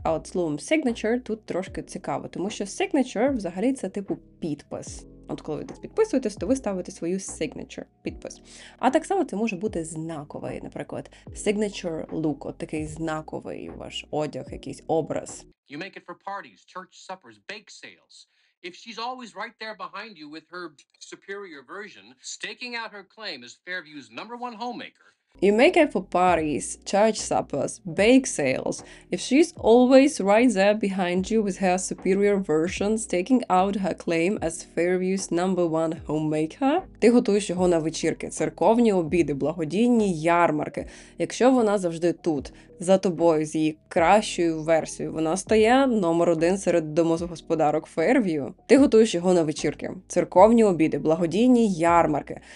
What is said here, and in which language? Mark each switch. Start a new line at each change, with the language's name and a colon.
Ukrainian: А от словом signature тут трошки цікаво, тому що signature взагалі це типу підпис. От коли ви десь підписуєтесь, то ви ставите свою signature, підпис. А так само це може бути знаковий, наприклад,
English: signature look,
Ukrainian: от такий знаковий ваш одяг, якийсь образ.
English: You make it for parties, church suppers, bake sales. If she's always right there behind you with her superior version, staking out her claim as Fairview's number one homemaker. You make it for parties, church suppers, bake sales. If she's always right there behind you with her superior version, staking out her claim as Fairview's number one homemaker.
Ukrainian: Ти готуєш його на вечірки, церковні обіди, благодійні ярмарки. Якщо вона завжди тут, за тобою, з її кращою версією, вона стає номер один серед домогосподарок Fairview. Ти готуєш його на вечірки, церковні обіди, благодійні ярмарки.